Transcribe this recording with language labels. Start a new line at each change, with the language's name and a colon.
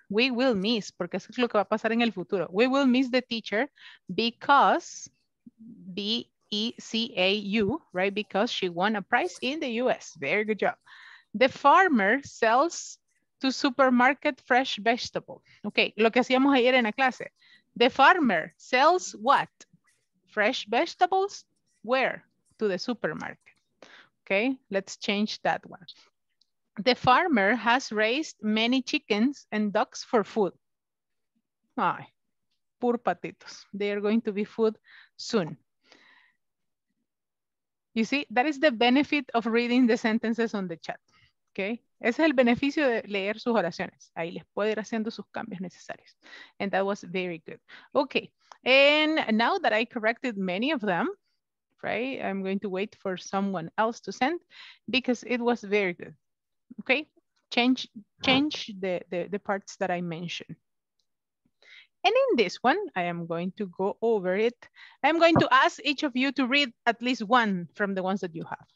English: We will miss,
Spanish: porque eso es lo que va a pasar en el futuro.
English: We will miss the teacher because B-E-C-A-U, right? Because she won a prize in the US. Very good job. The farmer sells to supermarket fresh vegetables.
Spanish: Okay, lo que hacíamos ayer en la clase.
English: The farmer sells what? Fresh vegetables, where? To the supermarket. Okay, let's change that one. The farmer has raised many chickens and ducks for food. Ay, poor patitos. They are going to be food soon. You see, that is the benefit of reading the sentences on the chat.
Spanish: Okay, ese es el beneficio de leer sus oraciones. Ahí les puede ir haciendo sus cambios necesarios.
English: And that was very good. Okay, and now that I corrected many of them, right, I'm going to wait for someone else to send because it was very good. Okay, change the parts that I mentioned. And in this one, I am going to go over it. I'm going to ask each of you to read at least one from the ones that you have.